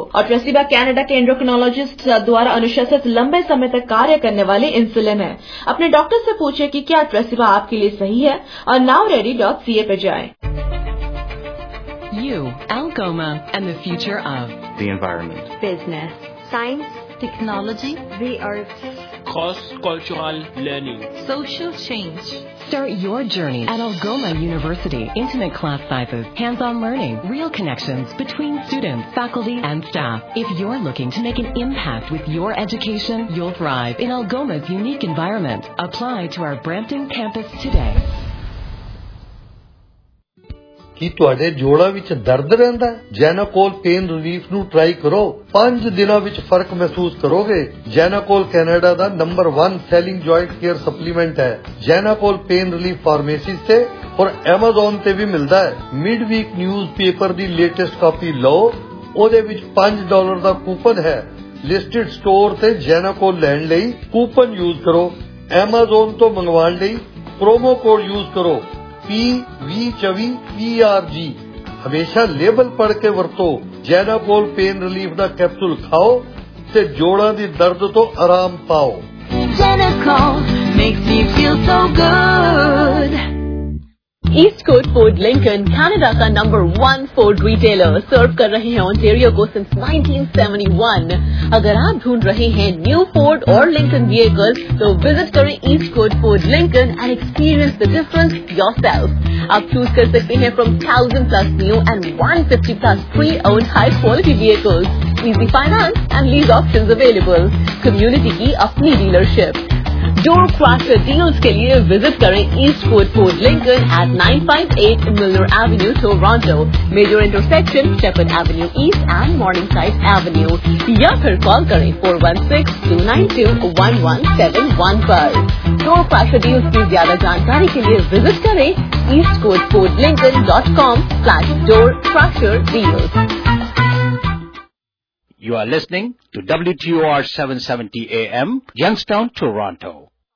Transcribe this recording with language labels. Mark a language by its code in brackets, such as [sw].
[hi] और ट्रेसिबा कनाडा के एंडोक्रिनोलॉजिस्ट द्वारा अनुशासित लंबे समय तक कार्य करने वाले इंसुलिन है। अपने डॉक्टर से पूछे कि क्या ट्रेसिबा आपके लिए सही है और nowready.ca पे जाएं। [en] You Algoma and the future of the environment, business, science, technology, the arts, cross-cultural learning, social change. Start your journey at Algoma University. Intimate class sizes, hands-on learning, real connections between students, faculty, and staff. If you're looking to make an impact with your education, you'll thrive in Algoma's unique environment. Apply to our Brampton campus today. [pa] ਕੀ ਤੁਹਾਡੇ ਜੋੜਾਂ ਵਿੱਚ ਦਰਦ ਰਹਿੰਦਾ? ਜੈਨਾਕੋਲ pain relief ਨੂੰ try ਕਰੋ, 5 ਦਿਨਾਂ ਵਿੱਚ ਫਰਕ ਮਹਿਸੂਸ ਕਰੋਗੇ। ਜੈਨਾਕੋਲ ਕੈਨੇਡਾ ਦਾ No. 1 selling joint care supplement ਹੈ। ਜੈਨਾਕੋਲ ਪੇਨ ਰਿਲੀਫ ਫਾਰਮੇਸੀਜ਼ ਤੇ ਔਰ ਐਮਾਜ਼ੋਨ ਤੇ ਵੀ ਮਿਲਦਾ ਹੈ। ਮਿਡ ਵੀਕ ਨਿਊਜ਼ ਪੇਪਰ ਦੀ ਲੇਟੈਸਟ ਕਾਪੀ ਲਓ, ਉਹਦੇ ਵਿੱਚ $5 ਦਾ ਕੂਪਨ ਹੈ। ਲਿਸਟਿਡ ਸਟੋਰ ਤੇ ਜੈਨਾਕੋਲ ਲੈਣ ਲਈ ਕੂਪਨ ਯੂਜ਼ ਕਰੋ, ਐਮਾਜ਼ੋਨ ਤੋਂ ਮੰਗਵਾਉਣ ਲਈ ਪ੍ਰੋਮੋ ਕੋਡ ਯੂਜ਼ ਕਰੋ PV24PRG। ਹਮੇਸ਼ਾ ਲੇਬਲ ਪੜ੍ਹ ਕੇ ਵਰਤੋ। ਜੈਨਾਕੋਲ ਪੇਨ ਰਿਲੀਫ ਦਾ ਕੈਪਸੂਲ ਖਾਓ ਤੇ ਜੋੜਾਂ ਦੀ ਦਰਦ ਤੋਂ ਆਰਾਮ ਪਾਓ। [en] Eastcote Ford Lincoln, Canada's number one Ford retailer, serve [hi] कर रहे हैं [en] Ontario [hi] को [en] since 1971. [hi] अगर आप ढूंढ रहे हैं [en] new Ford or Lincoln vehicles, so visit [hi] करे [en] Eastcote Ford Lincoln and experience the difference yourself. [hi] आप [en] choose [hi] कर सकते हैं [en] from 1000 plus new and 150 plus pre-owned high quality vehicles. Easy finance and lease options available. Community [hi] ki apni [en] dealership. Door crasher deals [hi] के लिए [en] visit [hi] करे [en] Eastcote Ford Lincoln at 958 Miller Avenue, Toronto. Major intersection, Shepherd Avenue East and Morningside Avenue. [hi] या फिर call करे 416-292-1171 पर. Door crasher deals की ज़्यादा जानकारी के लिए visit करे eastcoteportlincoln.com/door-crasher-deals. [en] You are listening to WTOR 770 AM, Youngstown, Toronto.